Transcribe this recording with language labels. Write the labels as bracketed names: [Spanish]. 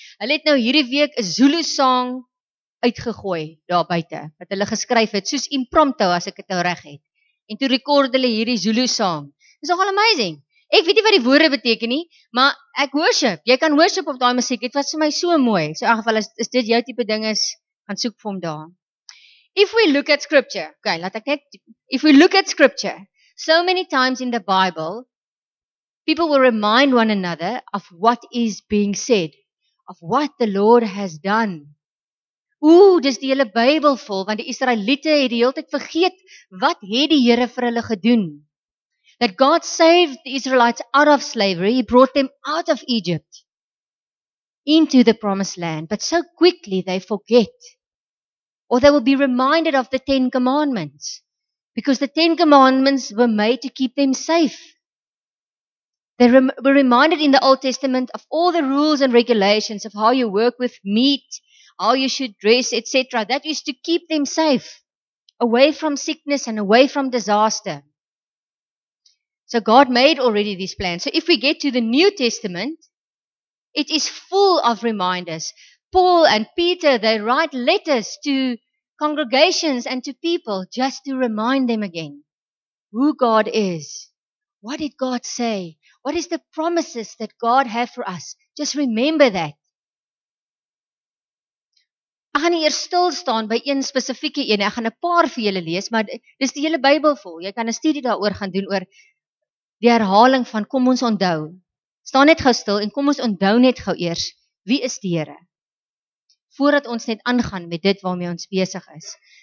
[Afrikaans] Hulle het nou hierdie week 'n Zulu song uitgegooi daar buite, wat hulle geskryf het, soos impromptu as ek het nou reg het. En toe record hulle hierdie Zulu song. [English] It's all amazing. [Afrikaans] Ek weet nie wat die woorde beteken nie, maar ek worship. Jy kan worship op daai musiek. Dit was vir my so mooi. So in geval is dit jou tipe ding is, gaan soek vir hom daar. [English] If we look at scripture. Okay, [Afrikaans] laat ek net. [English] If we look at scripture. So many times in the Bible, people will remind one another of what is being said. Of what the Lord has done. [Afrikaans] Ooh, dis die hele Bybel vol, want die Israeliete het die hele tyd vergeet wat het die Here vir hulle gedoen. [English] That God saved the Israelites out of slavery. He brought them out of Egypt into the promised land. But so quickly they forget. Or they will be reminded of the Ten Commandments. Because the Ten Commandments were made to keep them safe. They were reminded in the Old Testament of all the rules and regulations of how you work with meat, how you should dress, etc. That is to keep them safe, away from sickness and away from disaster. So God made already these plans. So if we get to the New Testament, it is full of reminders. Paul and Peter, they write letters to congregations and to people just to remind them again who God is. What did God say? What is the promises that God have for us? Just remember that. [Afrikaans] Ek gaan hier stil staan by een spesifieke een. Ek gaan 'n paar vir julle lees, maar dis die hele Bybel vol. Jy kan 'n studie daaroor gaan doen oor die herhaling van kom ons onthou. Sta net gou stil en kom ons onthou net gou eers wie is die Here? Voordat ons net aangaan met dit waarmee ons besig is.